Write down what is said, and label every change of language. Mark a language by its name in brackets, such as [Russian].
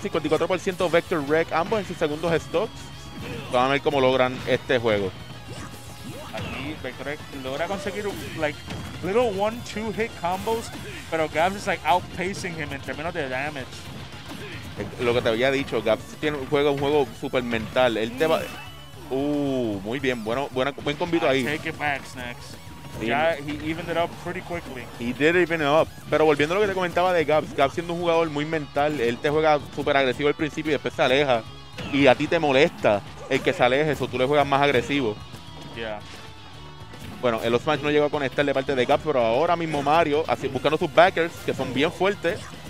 [Spanish] 54% Vector Rec, ambos en sus segundos stocks. Vamos a ver cómo logran este juego. Aquí Vector Rec logra conseguir [English] little 1-2 hit combos, [Spanish] pero Gaps [English] is outpacing him [Spanish] en términos de damage. Lo que te había dicho, Gaps juega un juego super mental. Él te va. Muy bien. Buen combito ahí. [English] Take it back, Snacks. Ya, he evened it up pretty quickly. He did even it up. [Spanish] Pero volviendo a lo que te comentaba de Gaps, Gaps siendo un jugador muy mental, él te juega súper agresivo al principio y después se aleja. Y a ti te molesta el que se aleje, eso tú le juegas más agresivo. [English] Yeah. [Spanish] Bueno, el Osmash no llegó a conectar de parte de Gaps, pero ahora mismo Mario, buscando sus backers, que son bien fuertes.